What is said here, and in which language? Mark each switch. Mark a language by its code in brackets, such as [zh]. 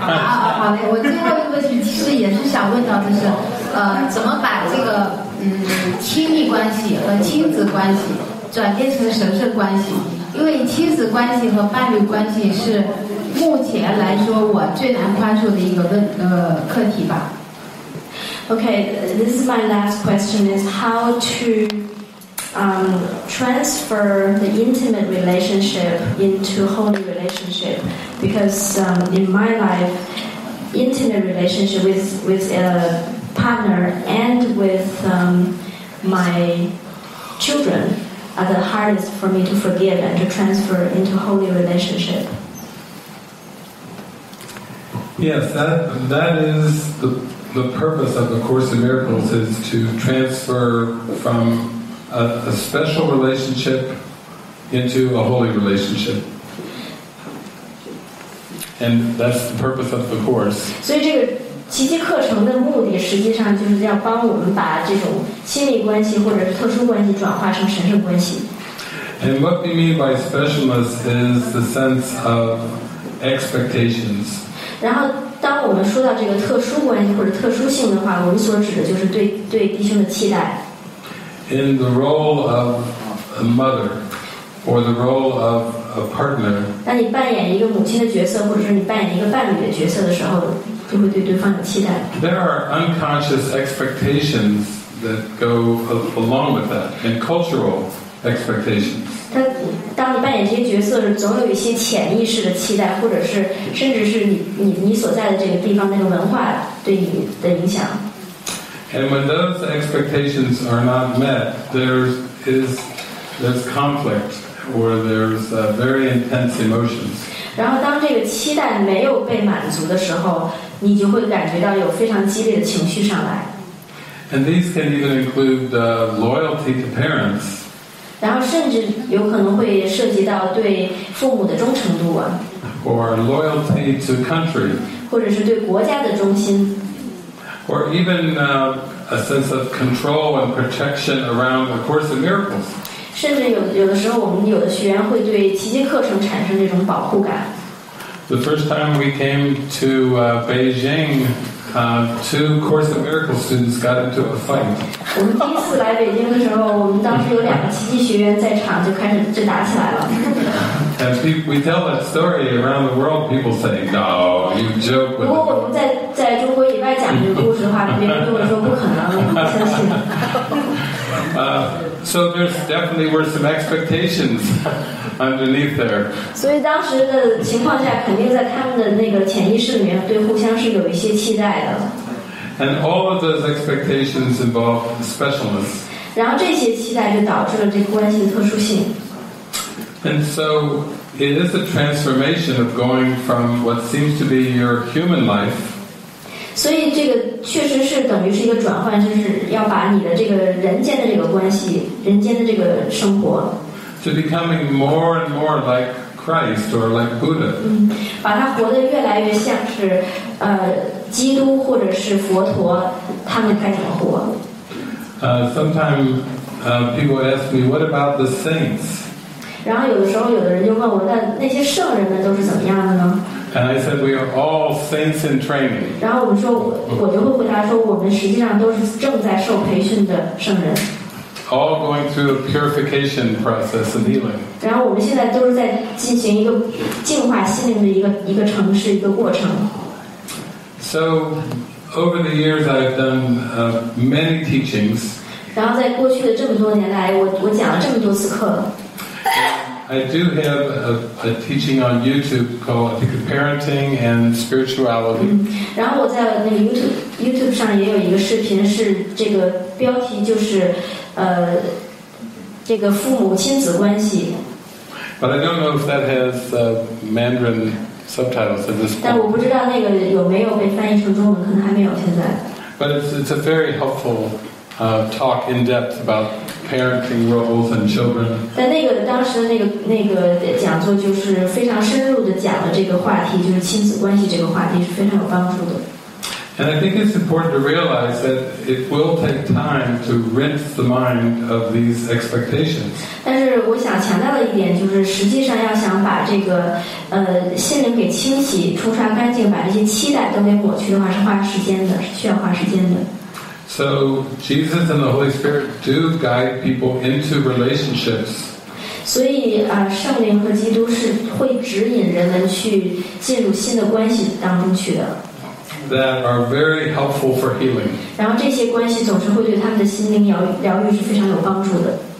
[zh] 好嘞，我最后一个问题其实也是想问到，就是怎么把这个亲密关系和亲子关系转变成神圣关系？因为亲子关系和伴侣关系是目前来说我最难宽恕的一个课题吧。 [en] Okay, this is my last question, is how to transfer the intimate relationship into holy relationship. Because in my life, intimate relationship with a partner and with my children are the hardest for me to forgive and to transfer into holy relationship. Yes, that is the purpose of the Course in Miracles, is to transfer from a special relationship into a holy relationship. And that's the purpose of the Course. [zh] 所以这个奇迹课程的目的实际上就是要帮我们把这种亲密关系或者是特殊关系转化成神圣关系。 [en] And what we mean by specialness is the sense of expectations. [zh] 然后当我们说到这个特殊关系或者特殊性的话，我们所指的就是对弟兄的期待。 [en] In the role of a mother or the role of a partner. [zh] 当你扮演一个母亲的角色或者是你扮演一个伴侣的角色的时候，就会对对方有期待。 [en] There are unconscious expectations that go along with that, and cultural expectations. [zh] 当你扮演这些角色时，总有一些潜意识的期待，或者是甚至是你所在的这个地方那个文化对你的影响。 [en] And when those expectations are not met, there's conflict or there's very intense emotions. [zh] 然后当这个期待没有被满足的时候，你就会感觉到有非常激烈的情绪上来。 [en] And these can even include loyalty to parents. [zh] 然后甚至有可能会涉及到对父母的忠诚度啊 [en] ，or loyalty to country， [zh] 或者是对国家的忠心 [en] ，or even a sense of control and protection around the Course in Miracles。 [zh] 甚至有的时候，我们有的学员会对奇迹课程产生这种保护感。 [en] The first time we came to Beijing. Two Course in Miracles students got into a fight. [zh] 我们第一次来北京的时候，我们当时有两个奇迹学员在场，就打起来了。 [en] And we tell that story around the world. People say, "No, you joke." [zh] 如果我们在中国以外讲这个故事的话，别人就会说不可能，不相信。 [en] So there definitely were some expectations underneath there. [zh] 所以当时的情况下，肯定在他们的那个潜意识里面，对互相是有一些期待的。 [en] And all of those expectations involve specialness. [zh] 然后这些期待就导致了这个关系的特殊性。 [en] And so it is a transformation of going from what seems to be your human life. [zh] 所以这个确实是等于是一个转换，就是要把你的这个人间的这个关系，人间的这个生活 [en] ，to becoming more and more like Christ or like Buddha， [zh] 把它活得越来越像是基督或者是佛陀，他们该怎么活 [en] ？Sometimes people ask me, what about the saints？ [zh] 然后有的时候有的人就问我，那些圣人们都是怎么样的呢？ [en] And I said, we are all saints in training. [zh] 然后我就会回答说，我们实际上都是正在受培训的圣人。 [en] All going through a purification process and healing. [zh] 然后我们现在都是在进行一个净化心灵的一个程式，一个过程。 [en] So, over the years, I've done many teachings. [zh] 然后在过去的这么多年来，我讲了这么多次课。 [en] I do have a teaching on YouTube called, I think, Parenting and Spirituality. [zh] 然后我在那个 YouTube 上也有一个视频，是这个标题就是这个父母亲子关系。 [en] But I don't know if that has Mandarin subtitles at this point. [zh] 但我不知道那个有没有被翻译成中文，可能还没有现在。 [en] But it's a very helpful talk in depth about parenting roles and children. [zh] 在那个当时的那个讲座就是非常深入的讲了这个话题，就是亲子关系这个话题是非常有帮助的。 [en] And I think it's important to realize that it will take time to rinse the mind of these expectations. [zh] 但是我想强调的一点就是，实际上要想把这个心灵给清洗、冲刷干净，把这些期待都给抹去的话，是花时间的，是需要花时间的。 [en] So Jesus and the Holy Spirit do guide people into relationships. [zh] 所以圣灵和基督是会指引人们去进入新的关系当中去的。 [en] That are very helpful for healing. [zh] 然后这些关系总是会对他们的心灵疗愈是非常有帮助的。